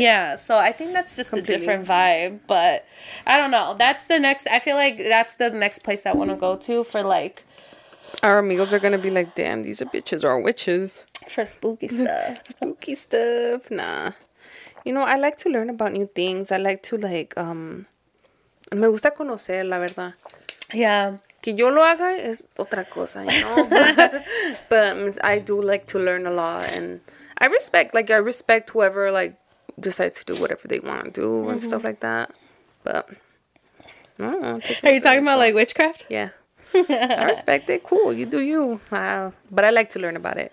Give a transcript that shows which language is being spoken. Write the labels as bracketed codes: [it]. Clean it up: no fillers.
[en] Yeah, so I think that's just a different vibe, but I don't know. That's the next place I want to go to for, like, our amigos are gonna be like, damn, these are bitches or witches for spooky stuff. Spooky stuff. Nah, you know, I like to learn about new things. I like to, like, [es] me gusta conocer, la verdad. [en] Yeah. [es] Que yo lo haga es otra cosa, [en] you know. But I do like to learn a lot, and I respect whoever, like, decides to do whatever they want to do and stuff like that. But, I don't know. Are you talking about, like, witchcraft? Yeah. I respect it. Cool. You do you. But I like to learn about it.